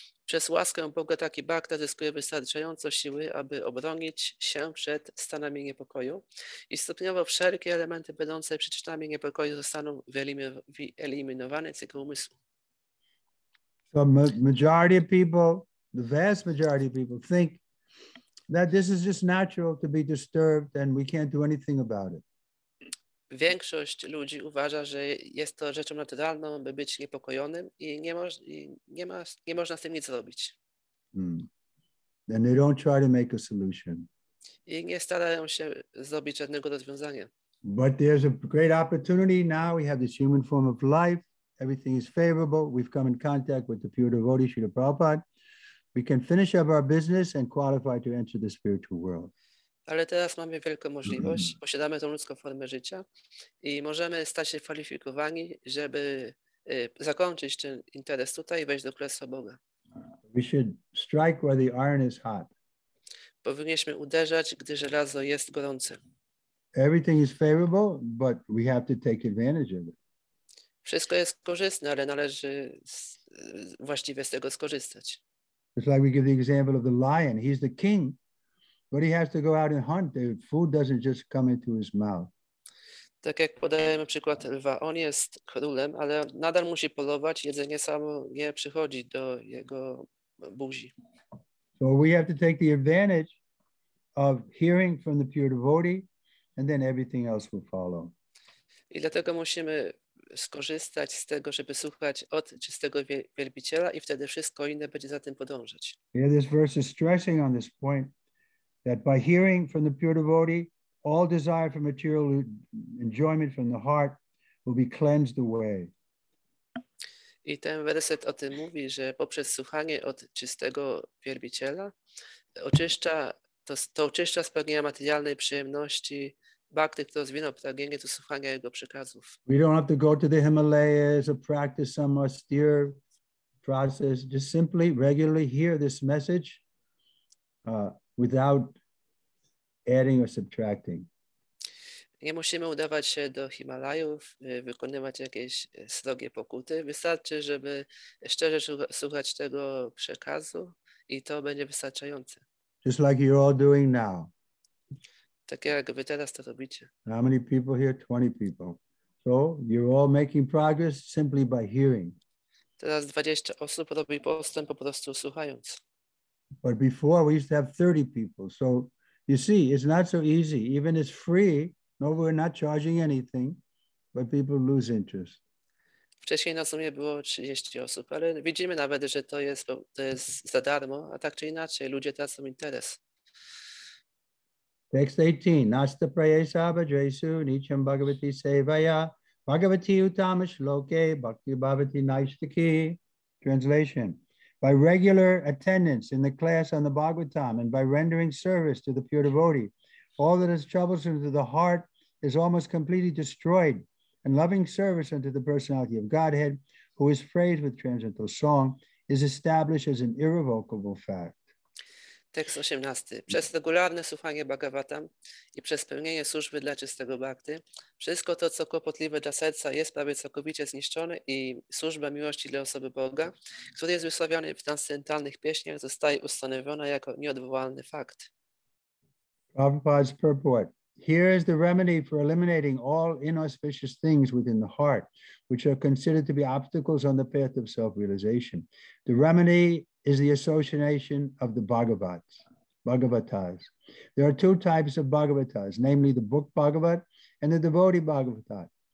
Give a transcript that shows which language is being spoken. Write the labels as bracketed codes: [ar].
[pl] Przez łaskę Boga taki bhakta zyskuje wystarczająco siły, aby obronić się przed stanami niepokoju i stopniowo wszelkie elementy będące przyczynami niepokoju zostaną wyeliminowane z jego umysłu. [en] The majority of people, the vast majority of people think that this is just natural to be disturbed and we can't do anything about it. [pl] Większość ludzi uważa, że jest to rzeczą naturalną, by być niepokojonym i nie można z tym nic zrobić. [en] And they don't try to make a solution. [pl] I nie starają się zrobić żadnego rozwiązania. [en] But there's a great opportunity now. We have this human form of life. Everything is favorable. We've come in contact with the pure devotee, Srila Prabhupada. We can finish up our business and qualify to enter the spiritual world. [pl] Ale teraz mamy wielką możliwość, posiadamy tą ludzką formę życia i możemy stać się kwalifikowani, żeby zakończyć ten interes tutaj i wejść do Królestwa Boga. [en] We should strike where the iron is hot. [pl] Powinniśmy uderzać, gdy żelazo jest gorące. [en] Everything is favorable, but we have to take advantage of it. [pl] Wszystko jest korzystne, ale należy właściwie z tego skorzystać. [en] It's like we give the example of the lion. He's the king. But he has to go out and hunt. The food doesn't just come into his mouth. [pl] Tak jak podajemy przykład lwa, on jest królem, ale nadal musi polować, jedzenie samo nie przychodzi do jego buzi. [en] So we have to take the advantage of hearing from the pure devotee, and then everything else will follow. [pl] I dlatego musimy skorzystać z tego, żeby słuchać od czystego wielbiciela i wtedy wszystko inne będzie za tym podążać. [en] Yeah, this verse is stressing on this point. That by hearing from the pure devotee, all desire for material enjoyment from the heart will be cleansed away. [pl] I ten werset o tym mówi, że poprzez słuchanie od czystego wielbiciela oczyszcza to oczyszcza spragnienia materialnej przyjemności bhakty, kto zwinął pragnienie do słuchania jego przekazów. [en] We don't have to go to the Himalayas or practice some austere process. Just simply regularly hear this message. Without adding or subtracting. [pl] Nie musimy udawać się do Himalajów, wykonywać jakieś srogie pokuty. Wystarczy, żeby szczerze słuchać tego przekazu i to będzie wystarczające. [en] Just like you're all doing now. [pl] Tak jak wy teraz to robicie. [en] How many people here? 20 people. So you're all making progress simply by hearing. [pl] Teraz 20 osób robi postęp po prostu słuchając. [en] But before we used to have 30 people. So you see, it's not so easy. Even it's free. No, we're not charging anything, but people lose interest. [pl] Wcześniej na sumie było 30 osób, ale widzimy nawet, że to jest za darmo, a tak czy inaczej, ludzie tracą interes. [en] Text 18. [sa] Nasta prayesa bhajresu nicham bhagavati sevaya bhagavati utama shloke bhakti bhavati naishtaki. [en] Translation. By regular attendance in the class on the Bhagavatam and by rendering service to the pure devotee, all that is troublesome to the heart is almost completely destroyed, and loving service unto the personality of Godhead, who is praised with transcendental song, is established as an irrevocable fact. [pl] Tekst 18. Przez regularne słuchanie Bhagavatam i przez pełnienie służby dla czystego Bhakty, wszystko to, co kłopotliwe dla serca, jest prawie całkowicie zniszczone i służba miłości dla osoby Boga, który jest wysławiony w transcendentalnych pieśniach, zostaje ustanowiona jako nieodwołalny fakt. [en] Prabhupada's purport. Here is the remedy for eliminating all inauspicious things within the heart, which are considered to be obstacles on the path of self-realization. The remedy is the association of the Bhagavats, Bhagavatas. There are two types of Bhagavatas, namely the book Bhagavat and the devotee Bhagavatat.